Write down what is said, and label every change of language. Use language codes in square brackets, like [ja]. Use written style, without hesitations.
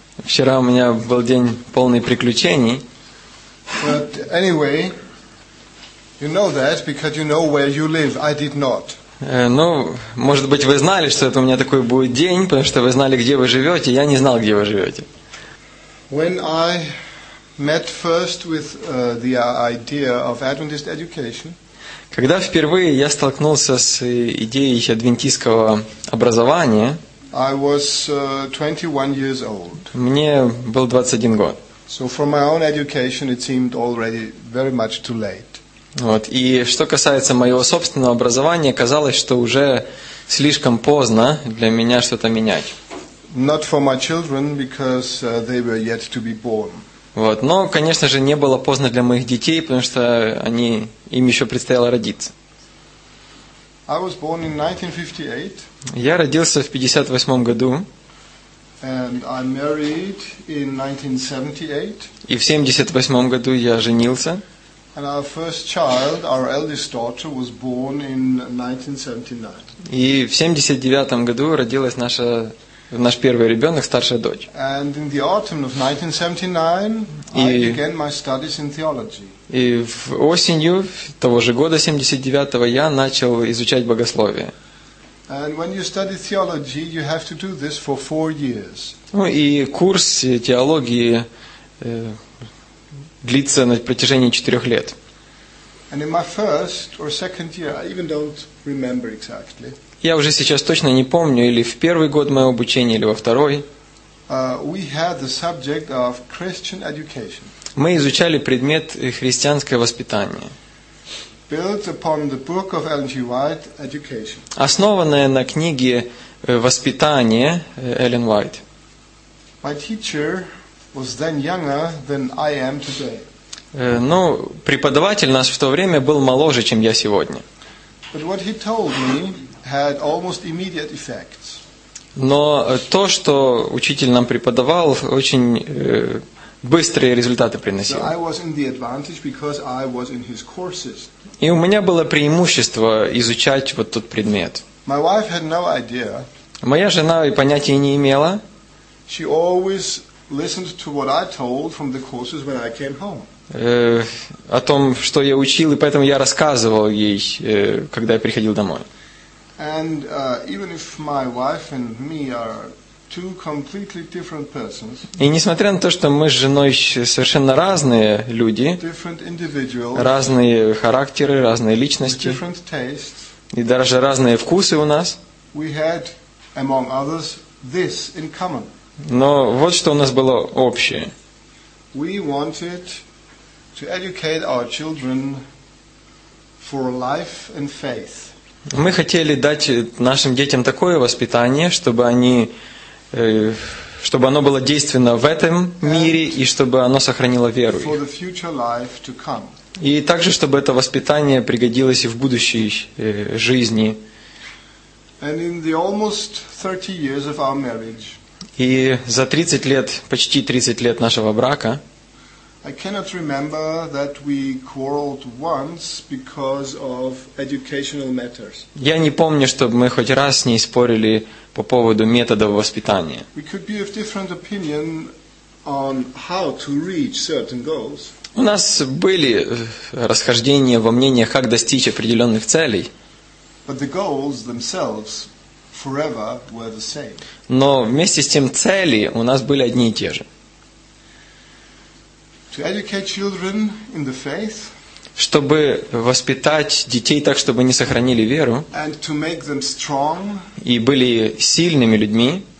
[ru] Вчера у меня был день полный приключений. [en] But anyway, you know that because you know where you live. I did not. [ru] Ну, может быть, вы знали, что это у меня такой будет день, потому что вы знали, где вы живете, я не знал, где вы живете. [en] When I met first with the idea of Adventist education. [ru] Когда впервые я столкнулся с идеей адвентистского образования, [en] I was 21 years old. [ru] Мне был 21 год. [en] So for my own education it seemed already very much too late. [ru] Вот. И что касается моего собственного образования, казалось, что уже слишком поздно для меня что-то менять. [en] Not for my children because they were yet to be born. [ru] Вот. Но, конечно же, не было поздно для моих детей, потому что они, им еще предстояло родиться. [en] I was born in 1958. [ru] Я родился в 58 году. [en] And I married in 1978. [ru] И в 78 году я женился. [en] And our first child, our eldest daughter, was born in 1979. [ru] И в 79 году родилась наша наш первый ребенок, старшая дочь. [en] And in the autumn of 1979, I began my studies in theology. [ru] И в осенью того же года, 79-го, я начал изучать богословие. [en] And when you study theology, you have to do this for 4 years. [ru] Ну и курс теологии длится на протяжении 4 лет. [en] And in my first or second year, I even don't remember exactly. [ru] Я уже сейчас точно не помню, или в первый год моего обучения, или во второй. [en] We had the subject of Christian education. [ru] Мы изучали предмет христианское воспитание. [en] Built upon the book of Ellen G. White, Education. [ru] Основанное на книге «Воспитание» Эллен Уайт. [en] My teacher was then younger than I am today. [ru] Ну, преподаватель нас в то время был моложе, чем я сегодня. [en] But what he told me had almost immediate effects. [ru] Но то, что учитель нам преподавал, очень быстрые результаты приносил. [en] So I was in the advantage because I was in his courses. [ru] И у меня было преимущество изучать вот тот предмет. [en] My wife had no idea. [ru] Моя жена и понятия не имела. [en] She always listened to what I told from the courses when I came home. [ru] О том, что я учил, и поэтому я рассказывал ей, когда я приходил домой. [en] And even if my wife and me are two completely different persons, [ru] и несмотря на то, что мы с женой совершенно разные люди, [en] different individuals, [ru] разные характеры, разные личности, [en] different tastes, [ru] и даже разные вкусы у нас, [en] we had, among others, this in common. [ru] Но вот что у нас было общее. [en] We wanted to educate our children for life and faith. [ru] Мы хотели дать нашим детям такое воспитание, чтобы оно было действенно в этом мире и чтобы оно сохранило веру. [en] For the future life to come. [ru] И также, чтобы это воспитание пригодилось и в будущей жизни. [en] And in the almost 30 years of our marriage. [ru] И за 30 лет, почти 30 лет нашего брака, [en] I cannot remember that we quarreled once because of educational matters. [ru] Я не помню, чтобы мы хоть раз не спорили по поводу методов воспитания. [en] We could be of different opinion on how to reach certain goals. [ru] У нас были расхождения во мнениях, как достичь определенных целей. [en] But the goals themselves forever were the same. [ru] Но вместе с тем цели у нас были одни и те же. [en] To educate children in the faith, [ru] чтобы воспитать детей так, чтобы они сохранили веру, [en] and to make them strong, [ru] и были сильными людьми,